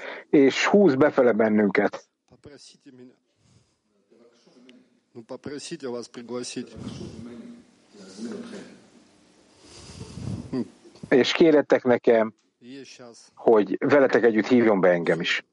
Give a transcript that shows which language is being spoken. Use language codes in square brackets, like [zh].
[hu] És húz befele bennünket. [ru] Попросите вас пригласить. [hu] És kérjetek nekem, hogy veletek együtt hívjon be engem is.